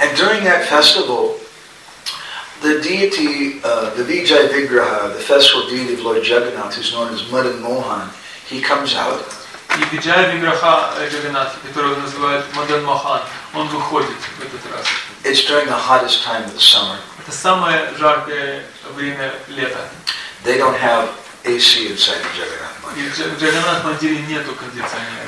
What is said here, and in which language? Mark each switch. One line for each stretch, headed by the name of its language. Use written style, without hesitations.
English: And during that festival, the deity, the Vijay Vigraha, the festival deity of Lord Jagannath, who's known as Madan Mohan, he comes out.
Russian: И Виджая Виграха Джаганнатх, которого называют Мадан Мохан, он выходит в этот раз.
English: It's during the hottest time of the summer.
Russian: Это самое жаркое время лета.
English: They don't have AC inside the Jagannath
Russian: Mandir. В Джаганнатх Мандире нету кондиционера.